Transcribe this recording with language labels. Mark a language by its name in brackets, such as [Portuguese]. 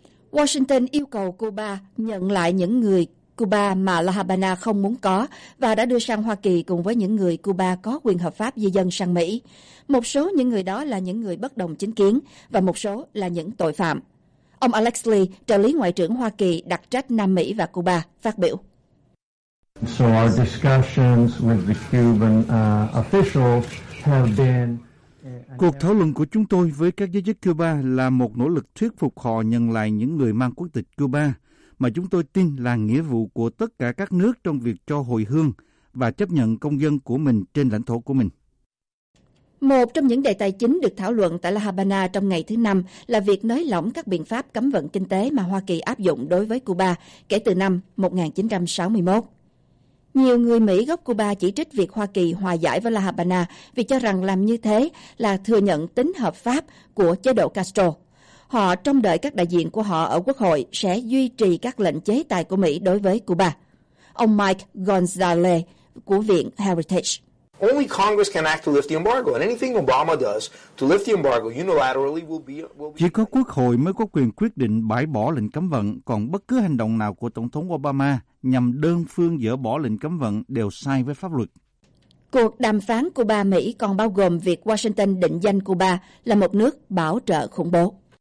[Vietnamese] Washington yêu cầu Cuba nhận lại những người Cuba mà La Habana không muốn có và đã đưa sang Hoa Kỳ cùng với những người Cuba có quyền hợp pháp di dân sang Mỹ. Một số những người đó là những người bất đồng chính kiến và một số là những tội phạm. Ông Alex Lee, trợ lý ngoại trưởng Hoa Kỳ đặc trách Nam Mỹ và Cuba, phát biểu. [English] So our discussions with the Cuban officials have been... [Vietnamese] Cuộc thảo luận của chúng tôi với các giới chức Cuba là một nỗ lực thuyết phục họ nhận lại những người mang quốc tịch Cuba, mà chúng tôi tin là nghĩa vụ của tất cả các nước trong việc cho hồi hương và chấp nhận công dân của mình trên lãnh thổ của mình. Một trong những đề tài chính được thảo luận tại La Habana trong ngày thứ Năm là việc nới lỏng các biện pháp cấm vận kinh tế mà Hoa Kỳ áp dụng đối với Cuba kể từ năm 1961. Nhiều người Mỹ gốc Cuba chỉ trích việc Hoa Kỳ hòa giải với La Habana vì cho rằng làm như thế là thừa nhận tính hợp pháp của chế độ Castro. Họ trông đợi các đại diện của họ ở Quốc hội sẽ duy trì các lệnh chế tài của Mỹ đối với Cuba. Ông Mike Gonzalez của Viện Heritage. [English] Only Congress can act to lift the embargo, and anything Obama does to lift the embargo unilaterally will be. [Vietnamese] Chỉ có Quốc hội mới có quyền quyết định bãi bỏ lệnh cấm vận, còn bất cứ hành động nào của Tổng thống Obama nhằm đơn phương dỡ bỏ lệnh cấm vận đều sai với pháp luật. Cuộc đàm phán Cuba-Mỹ còn bao gồm việc Washington định danh Cuba là một nước bảo trợ khủng bố.